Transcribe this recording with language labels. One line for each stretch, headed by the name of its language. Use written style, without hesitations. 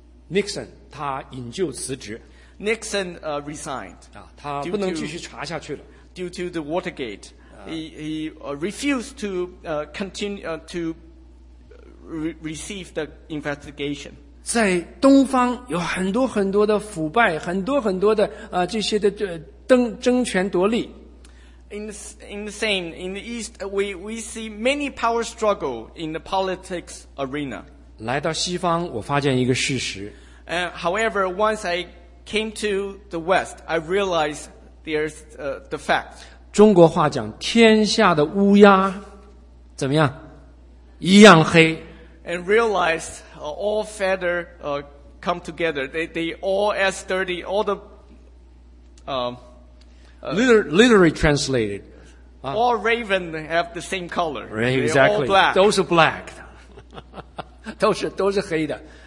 Chinese: Nixon, 他引咎辞职。
English: Nixon, resigned.
Chinese: 啊，他不能继续查下去了。
English: Due to the Watergate. He refused to continue to receive the investigation.
Chinese: 在东方有很多很多的腐败，很多很多的这些的争权夺利。
English: In the East, we see many power struggle in the politics arena.
Chinese: 来到西方，我发现一个事实。
English: However, once I came to the West, I realized there's the fact.
Chinese: 中国话讲天下的乌鸦怎么样一样黑
English: and realized all feather come together they all as dirty all the literally translated All ravens have the same color. Right, exactly. All black.
Chinese: 都是 black 的。都是黑的。